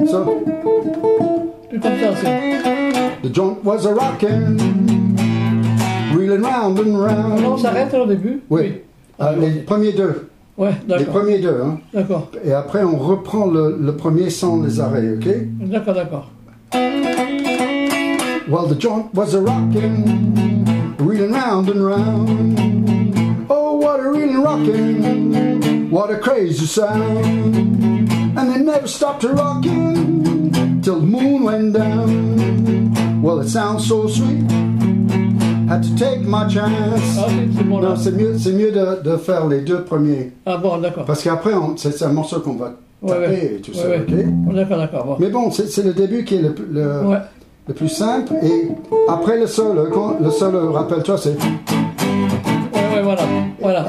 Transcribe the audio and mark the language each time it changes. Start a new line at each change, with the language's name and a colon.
English: So, the joint was a-rockin', reeling round and round.
French: Non, on s'arrête au début? Oui. Les premiers deux. Ouais, d'accord. Les premiers deux, hein. D'accord. Et après, on reprend le premier sans les arrêts, ok? D'accord.
English: while the joint was a-rockin', reelin' round and round. Oh, what a reelin' rockin', what a crazy sound. And they never stopped a-rockin' till the moon went down. Well, it sounds so sweet, had to take my chance.
French: Ah, c'est bon, non, c'est mieux de faire les deux premiers. Ah bon, d'accord. Parce qu'après, c'est un morceau qu'on va taper, ouais, tu sais, ouais, ok. Ouais. D'accord, d'accord. Bon. Mais bon, c'est le début qui est le, ouais, le plus simple. Et après le sol, rappelle-toi, c'est... Ouais, ouais, voilà, voilà.